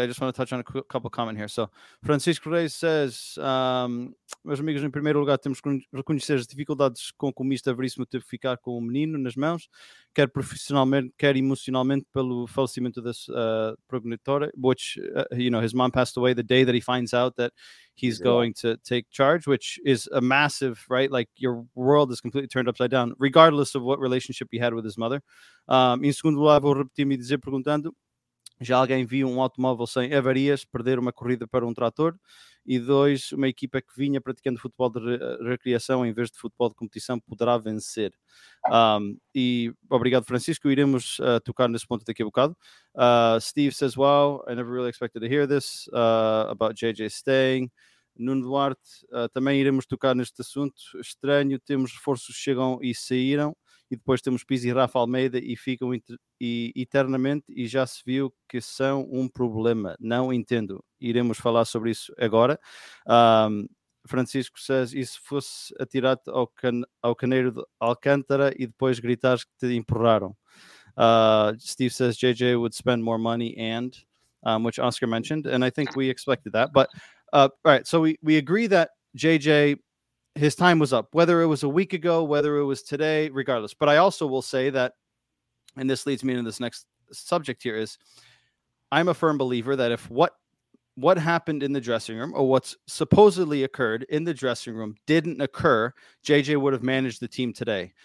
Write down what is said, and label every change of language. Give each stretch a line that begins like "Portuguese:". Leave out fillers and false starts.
English: I just want to touch on a couple comments here. So Francisco Reis says,
Portuguese: meus amigos, em primeiro lugar, temos que reconhecer as dificuldades com que o Mister Veríssimo teve que ficar com o menino nas mãos, quer profissionalmente, quer emocionalmente, pelo falecimento da progenitora,
English: which, you know, his mom passed away the day that he finds out that he's going to take charge, which is a massive, right? Like, your world is completely turned upside down, regardless of what relationship he had with his mother.
Portuguese: Em segundo lugar, vou repetir-me dizer, perguntando, já alguém viu um automóvel sem avarias perder uma corrida para um trator? E dois, uma equipa que vinha praticando futebol de recreação em vez de futebol de competição poderá vencer. E obrigado, Francisco. Iremos tocar nesse ponto daqui a bocado.
English: Steve says, wow, I never really expected to hear this about JJ staying.
Portuguese: Nuno Duarte, também iremos tocar neste assunto. Estranho, temos reforços que chegam e saíram. E depois temos Pizzi e Rafa Almeida e ficam eternamente e já se viu que são um problema. Não entendo. Iremos falar sobre isso agora. Francisco says, e se fosse atirar-te ao caneiro de Alcântara e depois gritares que te empurraram?
English: Steve says, JJ would spend more money and, which Oscar mentioned, and I think we expected that. But, all right, so we agree that JJ... his time was up, whether it was a week ago, whether it was today, regardless. But I also will say that, and this leads me into this next subject here, is I'm a firm believer that if what happened in the dressing room or what's supposedly occurred in the dressing room didn't occur, JJ would have managed the team today.